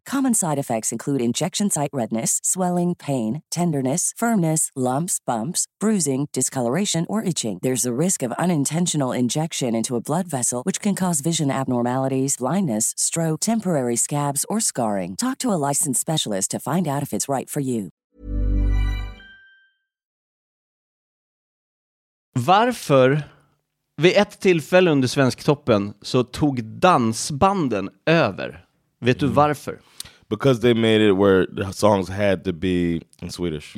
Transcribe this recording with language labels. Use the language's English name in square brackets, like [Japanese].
[English] Common side effects include injection site redness, swelling, pain, tenderness, firmness, lumps, bumps, bruising, discoloration, or itching. There's a risk of unintentional injection into a blood vessel, which can cause vision abnormalities, blindness, stroke, temporary scabs, or scarring. Talk to a licensed specialist to find out if it's right for you. [Swedish] Varför vid ett tillfälle under Svensktoppen så tog dansbanden över? Vet du varför? [English] Because they made it where the songs had to be in Swedish.